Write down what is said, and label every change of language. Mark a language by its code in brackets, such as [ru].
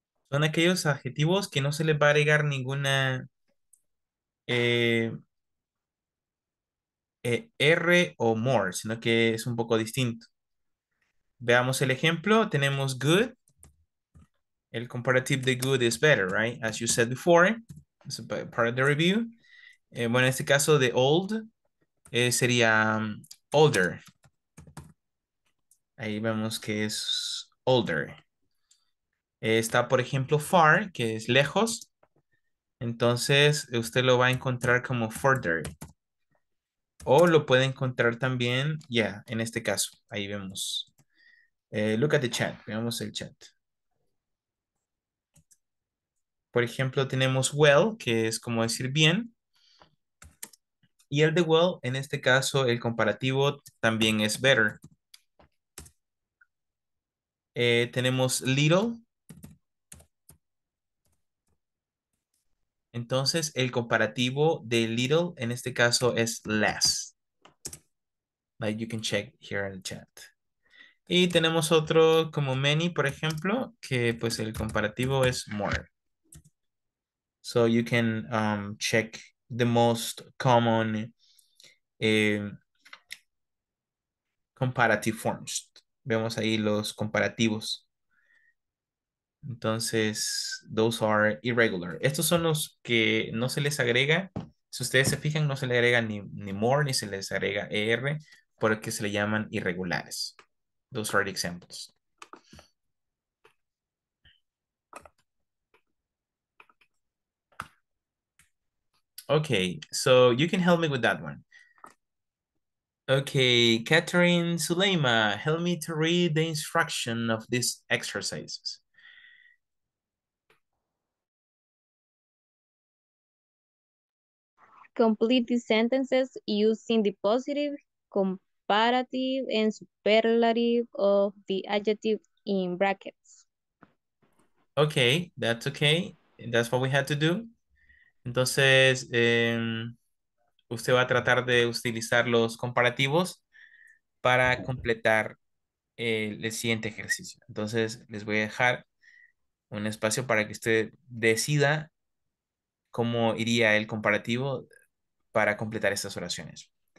[es] Son aquellos adjetivos que no se les va a agregar ninguna R o more, sino que es un poco distinto. Veamos el ejemplo. Tenemos good. El comparative de good [en] is better, right? As you said before, it's part of the review. [es] Bueno, en este caso de old sería older. Ahí vemos que es older. Está, por ejemplo, far, que es lejos. Entonces, usted lo va a encontrar como further. O lo puede encontrar también, yeah, en este caso. Ahí vemos. [en] Look at the chat. [es] Veamos el chat. Por ejemplo, tenemos well, que es como decir bien. Y el de well, en este caso, el comparativo también es better. Tenemos little. Entonces, el comparativo de little, en este caso, es less. [en] Like you can check here in the chat. [es] Y tenemos otro como many, por ejemplo, que pues el comparativo es more. [en] So you can check the most common comparative forms. [es] Vemos ahí los comparativos. Entonces, [en] those are irregular. [es] Estos son los que no se les agrega. Si ustedes se fijan, no se les agrega ni more ni se les agrega ER porque se le llaman irregulares. [en] Those are the examples. Okay, so you can help me with that one. Okay, Catherine Suleyma, help me to read the instruction of these exercises. Complete the sentences using the positive, comparative, and superlative of the adjective in brackets. Okay, that's okay. That's what we had to do. [es] Entonces, usted va a tratar de utilizar los comparativos para completar el siguiente ejercicio. Entonces, les voy a dejar un espacio para que usted decida cómo iría el comparativo para completar estas oraciones.